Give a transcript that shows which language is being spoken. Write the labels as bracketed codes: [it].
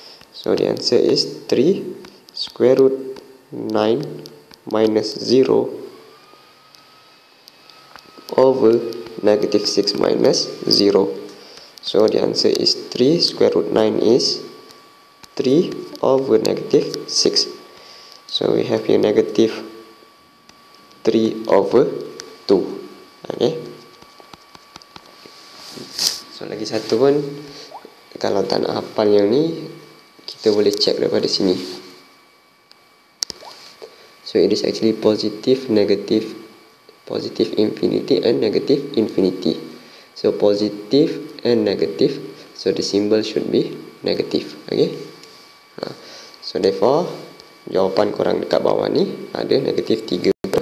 [en] So the answer is 3 square root 9 minus 0 over negative 6 minus 0. So the answer is 3 square root 9 is 3 over negative 6. So we have here negative 3 over 2. [ms] Okay, so lagi satu pun, kalau tak nak hafal yang ni, kita boleh check daripada sini. [en] So it is actually positive, negative, positive infinity and negative infinity. So positive and negative, so the symbol should be [ms] negatif. Okey. [en] So therefore, [ms] jawapan korang dekat bawah ni ada negatif 3/2.